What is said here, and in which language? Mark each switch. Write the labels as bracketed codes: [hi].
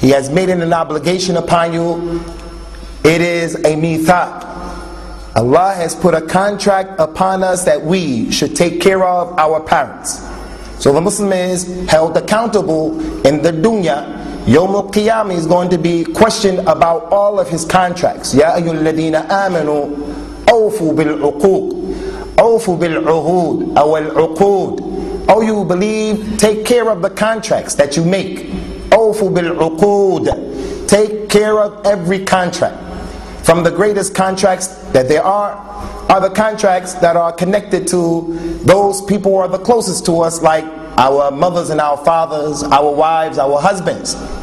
[en] He has made it an obligation upon you. It is a mithaq. Allah has put a contract upon us that we should take care of our parents. So the Muslim is held accountable in the dunya يوم القيامة is going to be questioned about all of his contracts. [ar] يا أيها الذين آمنوا أوفوا بالعقود أوفوا بالعهود أو العقود. [en] Oh, you believe, take care of the contracts that you make. [ar] أوفوا بالعقود. [en] Take care of every contract. From the greatest contracts that there are the contracts that are connected to those people who are the closest to us, like our mothers and our fathers, our wives, our husbands.